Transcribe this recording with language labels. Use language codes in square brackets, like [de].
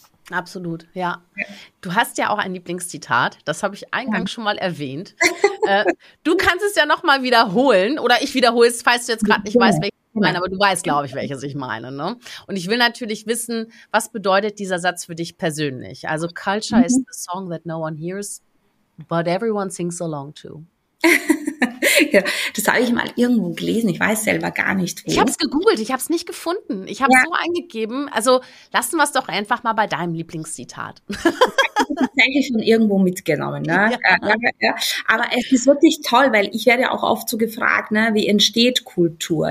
[de] Absolut, ja. Du hast ja auch ein Lieblingszitat, das habe ich eingangs schon mal erwähnt. Du kannst es ja nochmal wiederholen, oder ich wiederhole es, falls du jetzt gerade nicht weißt, welches ich meine, aber du weißt, glaube ich, welches ich meine, ne? Und ich will natürlich wissen, was bedeutet dieser Satz für dich persönlich? [en] Also, Culture is the song that no one hears, but everyone sings along to. [de] Ja, das habe ich mal irgendwo gelesen, ich weiß selber gar nicht, wo. Ich habe es gegoogelt, ich habe es nicht gefunden. Ich habe es so eingegeben. Also, lassen wir es doch einfach mal bei deinem Lieblingszitat. Tatsächlich schon irgendwo mitgenommen, ne? Ja. Aber es ist wirklich toll, weil ich werde auch oft so gefragt, ne, wie entsteht Kultur?